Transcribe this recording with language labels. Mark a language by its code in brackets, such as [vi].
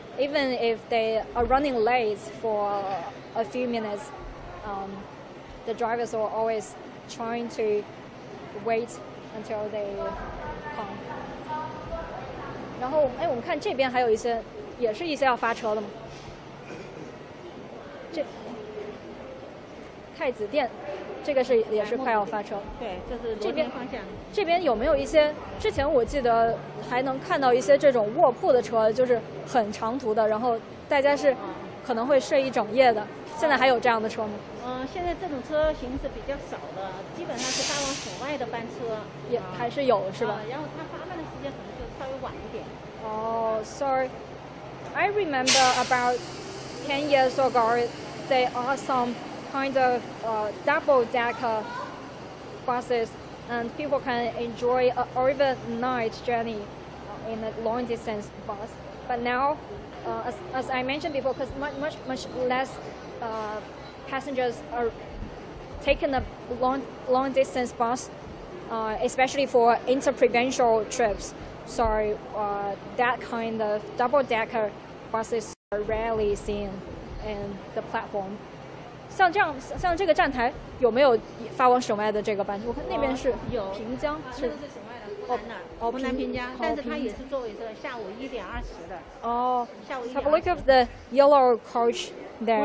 [en] Even if they are running late for a few minutes, the drivers are always trying to wait until they come. [zh] 然后我们看这边还有一些，也是一些要发车的吗？太子殿，这个是也是快要发车。对，就是这边方向。这边有没有一些？之前我记得还能看到一些这种卧铺的车，就是很长途的，然后大家是可能会睡一整夜的。现在还有这样的车吗？现在这种车型是比较少的，基本上是发往省外的班车。也还是有是吧？然后它发班的时间可能就稍微晚一点。 [en] So I remember about 10 years ago, there are some kind of double-decker buses, and people can enjoy an overnight journey in a long-distance bus. But now, as I mentioned before, because much less passengers are taking a long-distance bus, especially for inter-provincial trips. So that kind of double-decker buses are rarely seen in the platform. [zh] 像这样，像这个站台有没有发往省外的这个班？我看那边是有平江，这个是省外的湖南那儿，湖南平江，但是它也是作为这个下午1:20的。哦，下午一点。 [en] Have a look at the yellow coach there.